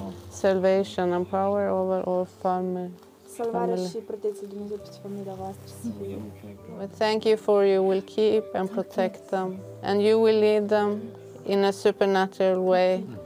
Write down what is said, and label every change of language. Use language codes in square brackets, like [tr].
[en] Salvation and power over all family. [ro] Salvare și protecție Dumnezeu peste familia voastră. [en] We thank you for you will keep and protect them and you will lead them in a supernatural way.